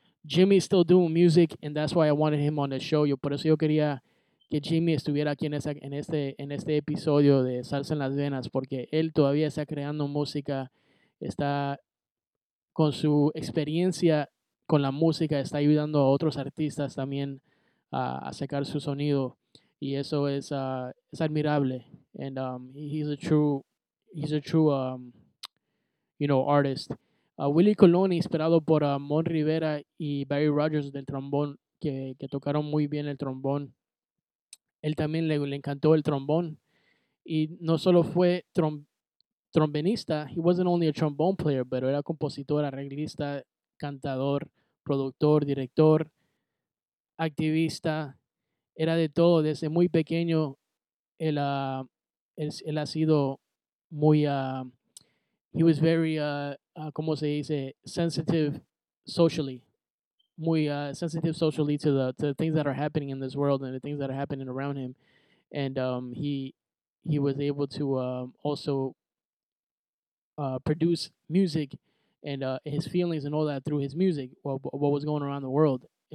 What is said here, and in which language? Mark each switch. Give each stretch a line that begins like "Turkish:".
English: Jimmy's still doing music, and that's why I wanted him on the show.
Spanish: Yo por eso yo quería que Jimmy estuviera aquí en este episodio de Salsa en las Venas, porque él todavía está creando música, está con su experiencia con la música, está ayudando a otros artistas también a sacar su sonido, y eso es admirable.
English: And he's a true you know, artist.
Spanish: Willie Colon, inspirado por Mon Rivera y Barry Rogers del trombón, que tocaron muy bien el trombón. Él también le encantó el trombón, y no solo fue trombonista,
English: he wasn't only a trombone player,
Spanish: pero era compositor, arreglista, cantador, productor, director, activista, era de todo. Desde muy pequeño, él ha sido muy,
English: he was very,
Spanish: ¿cómo se dice?
English: Sensitive socially. Muy sensitive socially to the things that are happening in this world and the things that are happening around him. And he was able to also produce music and his feelings and all that through his music, what was going around the world.